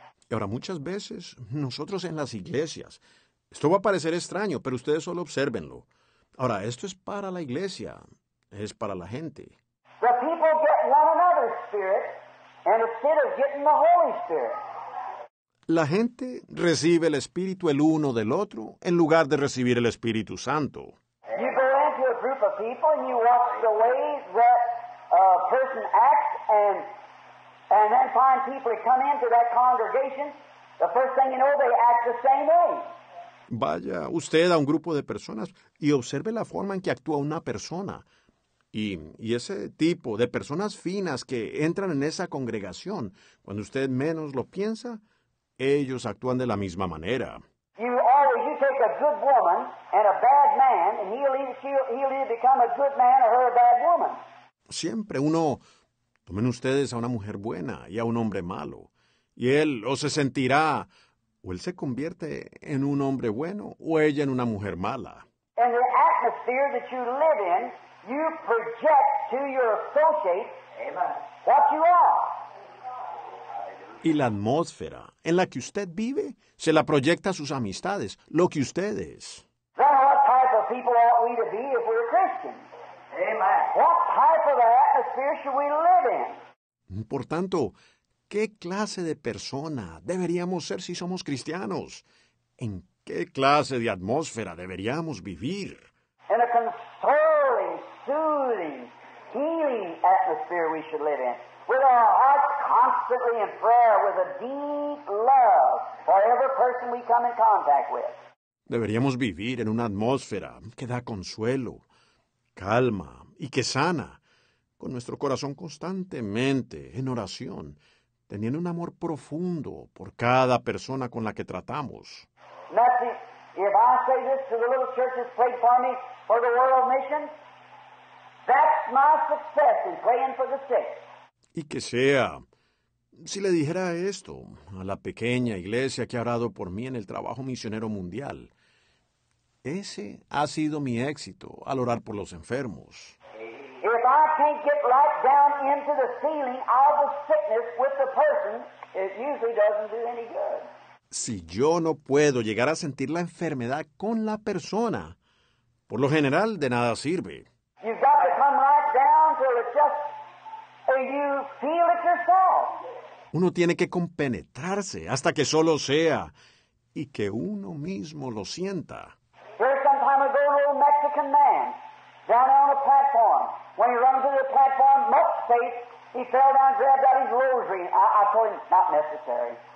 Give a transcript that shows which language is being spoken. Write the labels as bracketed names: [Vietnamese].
[Spanish] Y ahora, muchas veces, nosotros en las iglesias, esto va a parecer extraño, pero ustedes solo obsérvenlo. Ahora, esto es para la iglesia, es para la gente. [English] The people get one another's spirit. And instead of getting the Holy Spirit. [Spanish] La gente recibe el Espíritu el uno del otro en lugar de recibir el Espíritu Santo. [English] You go into a group of people and you watch the way that a person acts and then find people who come into that congregation. The first thing you know, they act the same way. [Spanish] Vaya usted a un grupo de personas y observe la forma en que actúa una persona. Y ese tipo de personas finas que entran en esa congregación, cuando usted menos lo piensa, ellos actúan de la misma manera. [English] You take a good woman and a bad man, and he'll either become a good man or her a bad woman. [Spanish] Siempre uno, tomen ustedes a una mujer buena y a un hombre malo, y él o se sentirá, o él se convierte en un hombre bueno, o ella en una mujer mala. [English] And the atmosphere that you live in, you project to your associates, amen, what you are. [Spanish] Y la atmósfera en la que usted vive se la proyecta a sus amistades, lo que usted es. [English] Then what type of people ought we to be if we're Christians? Amen. What type of atmosphere should we live in? [Spanish] Por tanto, ¿qué clase de persona deberíamos ser si somos cristianos? ¿En qué clase de atmósfera deberíamos vivir? [English] In a consoling, soothing, healing atmosphere we should live in, with our hearts constantly in prayer, with a deep love for every person we come in contact with. [Spanish] Deberíamos vivir en una atmósfera que da consuelo, calma y que sana, con nuestro corazón constantemente en oración, teniendo un amor profundo por cada persona con la que tratamos. [English] Matthew, if I say this to the little churches prayed for me for the world mission, that's my success in praying for the sick. [Spanish] Y que sea, si le dijera esto a la pequeña iglesia que ha orado por mí en el trabajo misionero mundial, Ese ha sido mi éxito al orar por los enfermos. [English] If I can't get right down into the feeling of the sickness with the person, it usually doesn't do any good. [Spanish] Si yo no puedo llegar a sentir la enfermedad con la persona, por lo general, de nada sirve. [English] You've got to come right down till it's just so you feel it yourself. [Spanish] Uno tiene que compenetrarse hasta que solo sea y que uno mismo lo sienta. [English] There's some time ago, a little Mexican man down on a platform. When he runs to the platform, much faith, he fell down and grabbed out his rosary. I told him, not necessary.